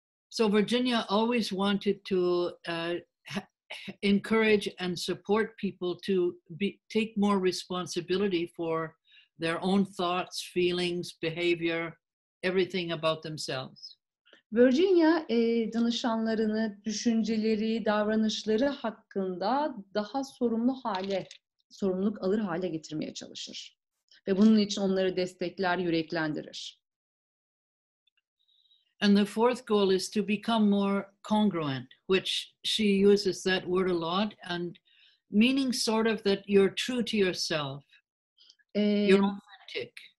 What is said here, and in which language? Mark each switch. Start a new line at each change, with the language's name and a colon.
English: So Virginia always wanted to encourage and support people to take more responsibility for their own thoughts, feelings, behavior, everything about themselves.
Turkish: Virginia danışanlarını düşünceleri, davranışları hakkında daha sorumluluk alır hale getirmeye çalışır. Ve bunun için onları destekler, yüreklendirir.
English: And the fourth goal is to become more congruent, which she uses that word a lot, and meaning sort of that you're true to yourself, you're authentic.